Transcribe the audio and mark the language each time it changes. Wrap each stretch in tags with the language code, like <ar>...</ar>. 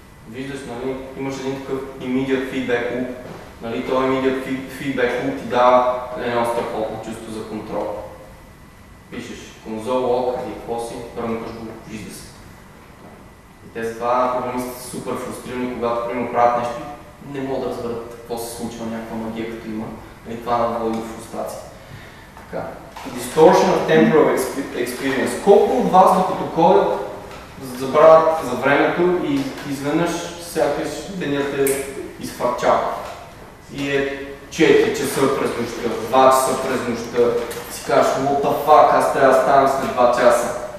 <bg>Виждаш, нали, имаш един такъв immediate feedback loop, нали, този immediate feedback loop ти дава едно страхотно чувство за контрол. Пишеш конзол, лог, какво си, ръмкаш го, вижда се. Те са това програмисти са супер фрустрирани, когато примерно правят нещо, не могат да разберат какво се случва, някаква магия като има. И това да води до фрустрация. Така. Distortion of temporal experience. Колко от вас, докато ходят, забравят за времето и изведнъж сякаш денят е изхвърчал. И е 4 часа през нощта, 2 часа през нощта. Си кажеш,</bg> <en>what the fuck,</en> <bg>аз трябва да стана след 2 часа.</bg>